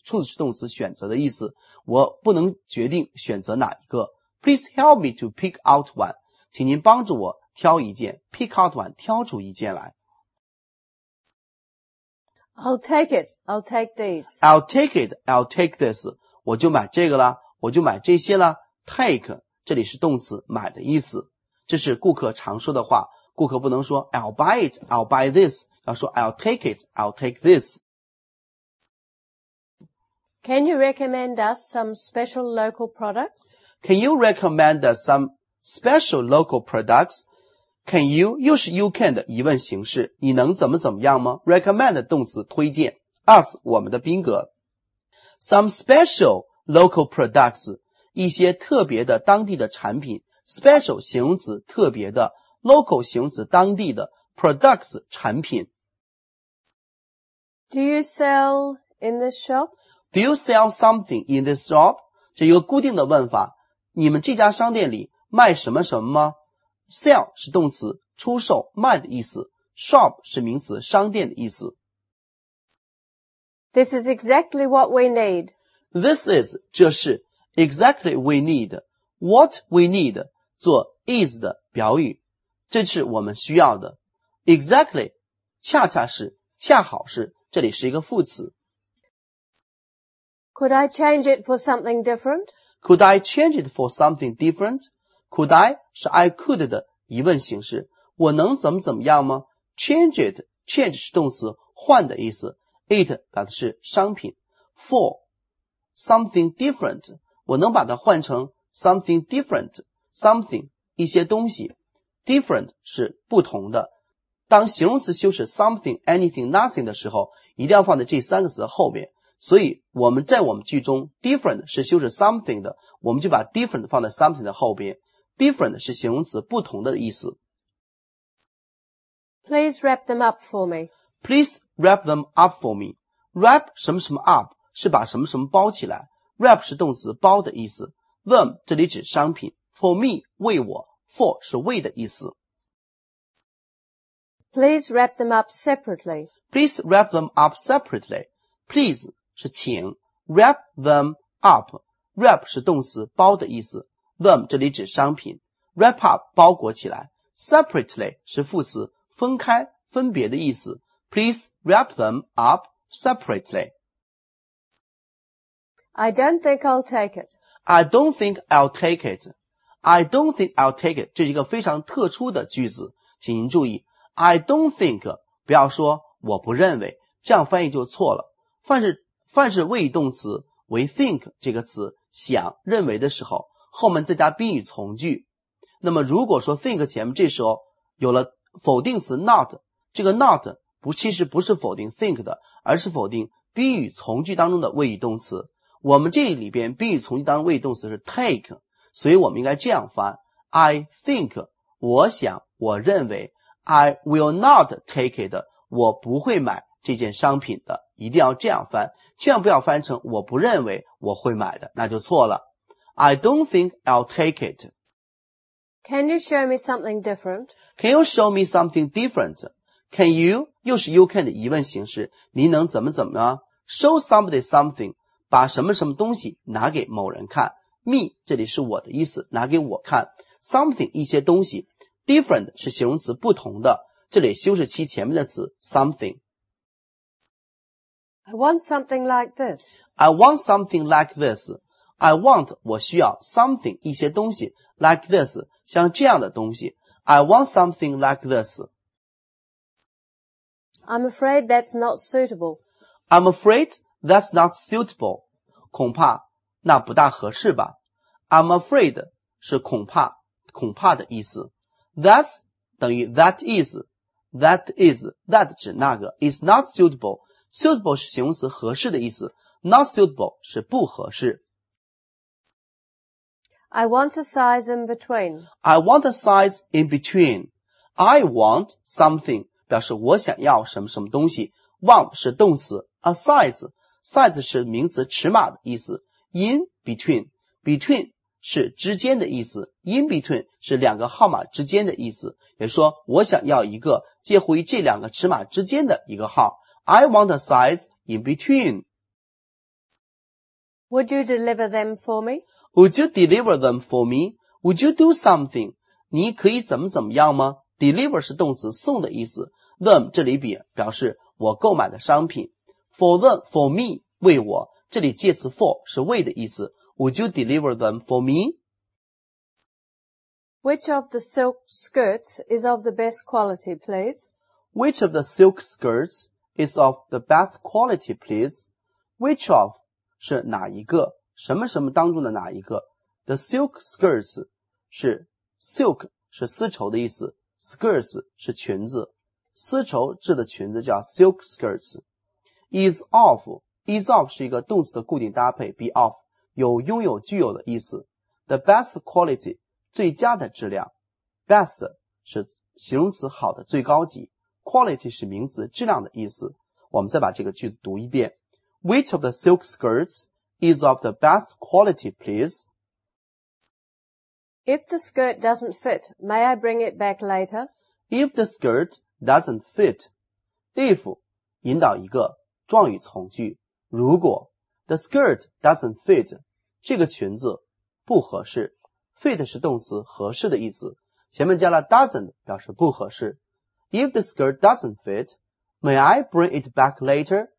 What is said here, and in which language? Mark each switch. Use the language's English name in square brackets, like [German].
[Chinese] Choose 是动词，选择的意思。我不能决定选择哪一个。 [English] Please help me to pick out one. [Chinese] 请您帮助我。挑一件 , [English] pick out one, [Chinese] 挑出一件来。 [English] I'll take this. [Chinese] 我就买这个啦，我就买这些啦。Take, 这里是动词，买的意思。这是顾客常说的话，顾客不能说 [English] I'll buy it, I'll buy this, [Chinese] 要说 [English] I'll take it, I'll take this. Can you recommend us some special local products? Can you recommend us some special local products? Can you? [Chinese] 又是 you can 的疑问形式，你能怎么怎么样吗？ Recommend 动词推荐， us 我们的宾格。 [English] Some special local products， [Chinese] 一些特别的当地的产品。 Special 形容词特别的， local 形容词当地的， products 产品。 [English] Do you sell in this shop? Do you sell something in this shop? [Chinese] 这一个固定的问法，你们这家商店里卖什么什么吗？ Sell 是动词，出售、卖的意思。Shop 是名词，商店的意思。 [English] This is exactly what we need. This is 这是 exactly we need. [Chinese] What we need 做 is 的表语，这是我们需要的。 Exactly 恰恰是，恰好是，这里是一个副词。 [English] Could I change it for something different? Could I change it for something different? [Chinese] Could I 是 I could 的疑问形式，我能怎么怎么样吗？ Change it, change 是动词，换的意思。 It 表示是商品。 For something different, 我能把它换成 something different, something 一些东西。 Different 是不同的，当形容词修饰 something, anything, nothing 的时候，一定要放在这三个词后面。所以我们在我们句中 different 是修饰 something 的，我们就把 different 放在 something 的后边。 Different 是形容词，不同的意思。 [English] Please wrap them up for me. Please wrap them up for me. [Chinese] Wrap 什么什么 up 是把什么什么包起来。Wrap 是动词，包的意思。 Them 这里指商品。For me 为我。For 是为的意思。 [English] Please wrap them up separately. Please wrap them up separately. [Chinese] Please 是请。 [English] Wrap them up. [Chinese] Wrap 是动词，包的意思。Them 这里指商品， wrap up 包裹起来， separately 是副词，分开分别的意思。 [English] Please wrap them up separately. I don't think I'll take it. I don't think I'll take it. I don't think I'll take it. [Chinese] 这是一个非常特殊的句子，请您注意 I don't think 不要说我不认为，这样翻译就错了。凡是谓语动词为 think 这个词，想认为的时候，后面再加宾语从句。那么如果说 think 前面这时候有了否定词 not， 这个 not 其实不是否定 think 的，而是否定宾语从句当中的谓语动词。我们这里边宾语从句当中谓语动词是 take， 所以我们应该这样翻： I think， 我想，我认为。 [English] I will not take it， [Chinese] 我不会买这件商品的。一定要这样翻，千万不要翻成我不认为我会买的，那就错了。 [English] I don't think I'll take it. Can you show me something different? Can you show me something different? Can you? [Chinese] 又是 you can 的疑问形式，你能怎么怎么呢？Show somebody something， 把什么什么东西拿给某人看。 Me 这里是我的意思，拿给我看。Something 一些东西。 Different 是形容词，不同的，这里修饰其前面的词 something。 [English] I want something like this. I want something like this. [Chinese] I want 我需要 something 一些东西 like this 像这样的东西。 [English] I want something like this. I'm afraid that's not suitable. I'm afraid that's not suitable. [Chinese] 恐怕那不大合适吧。 I'm afraid 是恐怕恐怕的意思。 That's 等于 that is, that is, that 指那个 is not suitable, suitable 是形容词合适的意思 not suitable 是不合适。 [English] I want a size in between. I want a size in between. I want something, [Chinese] 表示我想要什么什么东西。 Want 是动词 a size, size 是名词尺码的意思。 In between, between 是之间的意思。 In between 是两个号码之间的意思。也说我想要一个介乎于这两个尺码之间的一个号。 [English] I want a size in between. Would you deliver them for me? Would you deliver them for me? Would you do something? [Chinese] 你可以怎么怎么样吗？ Deliver 是动词送的意思 them 这里表示我购买的商品 for them for me 为我这里介词 for 是为的意思 [English] would you deliver them for me? Which of the silk skirts is of the best quality please? Which of the silk skirts is of the best quality please? [Chinese] Which of 是哪一个什么什么当中的哪一个 The silk skirts 是 silk 是丝绸的意思Skirts 是裙子丝绸制的裙子叫 silk skirts Is of Is of 是一个动词的固定搭配 Be of 有拥有具有的意思 The best quality 最佳的质量 Best 是形容词好的最高级 Quality 是名词质量的意思我们再把这个句子读一遍 [English] Which of the silk skirts is of the best quality please? If the skirt doesn't fit, may I bring it back later? If the skirt doesn't fit, [Chinese] if, 引导一个状语从句,如果, the skirt doesn't fit, 这个裙子不合适, fit 是动词合适的意思,前面加了 doesn't 表示不合适。 [English] If the skirt doesn't fit, may I bring it back later?